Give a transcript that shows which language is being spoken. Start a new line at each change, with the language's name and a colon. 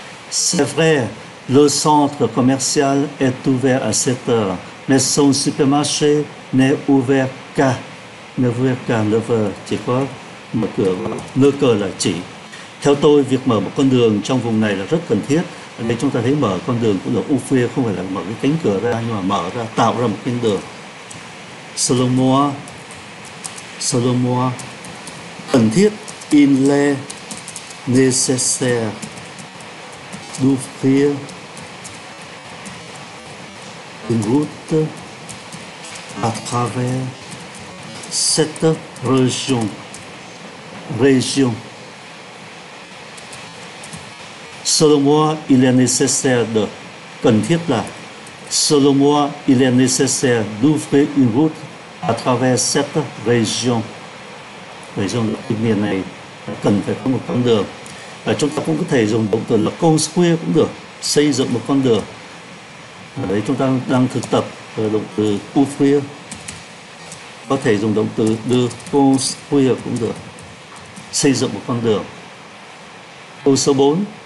French: C'est vrai, le centre commercial est ouvert à 7 heures, mais son supermarché n'est ouvert qu'à 9 heures.
Vietnamese: Chỉ có mở cửa vào, nơ cơ là chỉ. Theo tôi, việc mở một con đường trong vùng này là rất cần thiết. Ở đây chúng ta thấy mở con đường cũng được ouvrir, không phải là mở cái cánh cửa ra, nhưng mà mở ra, tạo ra một cái đường.
French: Selon moi,
Vietnamese: cần thiết,
French: il est nécessaire d'ouvrir une route à travers cette région. Selon moi, il est nécessaire de,
Vietnamese: cần thiết là,
French: selon moi, il est nécessaire d'ouvrir une route à travers cette région.
Vietnamese: Région là cái miền này, cần phải có một con đường. Và chúng ta cũng có thể dùng động từ là construire cũng được, xây dựng một con đường. Ở đây chúng ta đang thực tập động từ ouvrir. Có thể dùng động từ de construire cũng được, xây dựng một con đường. Câu số 4.